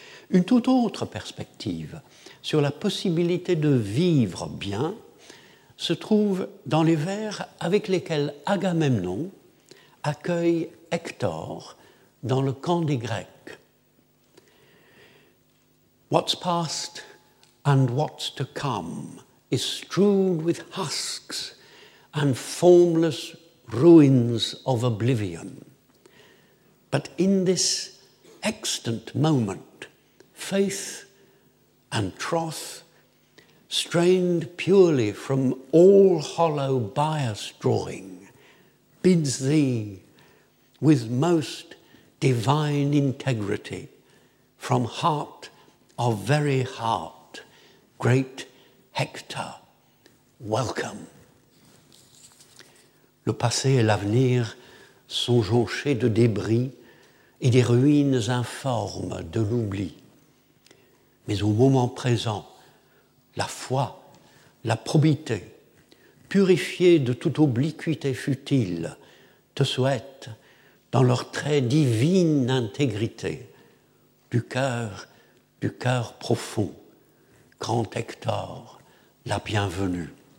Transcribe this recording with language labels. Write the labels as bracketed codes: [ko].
[fr] Une toute autre perspective sur la possibilité de vivre bien se trouve dans les vers avec lesquels Agamemnon accueille Hector dans le camp des Grecs. [en] What's past and what's to come is strewn with husks and formless ruins of oblivion. But in this extant moment, faith and troth, strained purely from all hollow bias drawing, bids thee with most divine integrity from heart of very heart, great Hector, welcome. [fr] Le passé et l'avenir sont jonchés de débris et des ruines informes de l'oubli. Mais au moment présent, la foi, la probité, purifiée de toute obliquité futile, te souhaite, dans leur très divine intégrité, du cœur profond, grand Hector, la bienvenue.